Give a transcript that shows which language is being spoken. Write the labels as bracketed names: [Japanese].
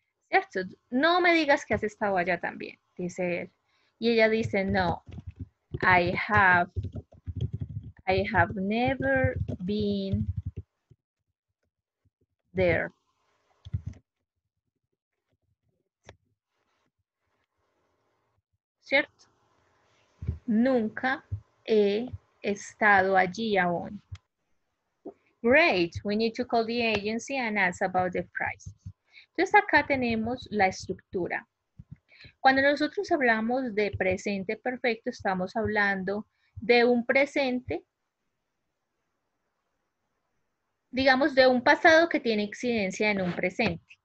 [Spanish] Cierto, no me digas que has estado allá también, dice él. Y ella dice, no, [English] I have never been there. [Spanish] ¿Cierto? Nunca he estado allí aún. [English] Great. We need to call the agency and ask about the price. [Spanish] Entonces acá tenemos la estructura. Cuando nosotros hablamos de presente perfecto, estamos hablando de un presente, digamos, de un pasado que tiene incidencia en un presente.